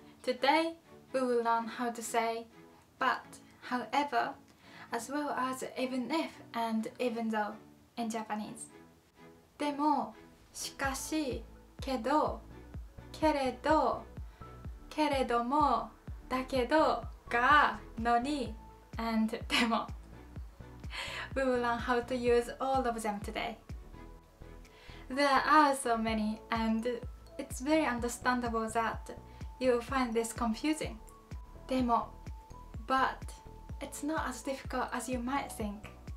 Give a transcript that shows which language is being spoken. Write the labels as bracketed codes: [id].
[en] Today, we will learn how to say but, however, as well as even if and even though in Japanese. [ja] でも、しかし、けど、けれど、けれども、だけど、が、のに、and でも。 [en] We will learn how to use all of them today. There are so many, and it's very understandable that you find this confusing. でも、but it's not as difficult as you might think.